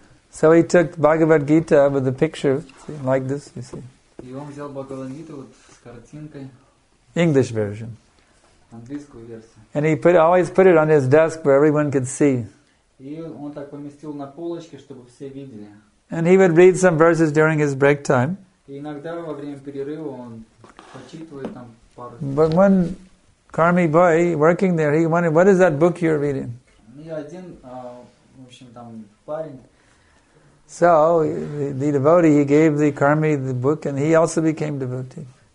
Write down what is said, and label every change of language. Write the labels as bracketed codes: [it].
[en] So he took Bhagavad Gita with a picture, see, like this, you see. [ru] И он взял Бхагавад Гиту вот с картинкой. [en] English version. [ru] Английскую версию. [en] And he always put it on his desk where everyone could see. [ru] И он так поместил на полочке, чтобы все видели. [en] And he would read some verses during his break time. [ru] И иногда во время перерыва он почитывает там пару. [en] But one Karmi boy working there, he wondered, what is that book you're reading? [ru] И один, в общем, там парень. [en] So the devotee, he gave the Karmi the book, and he also became devotee.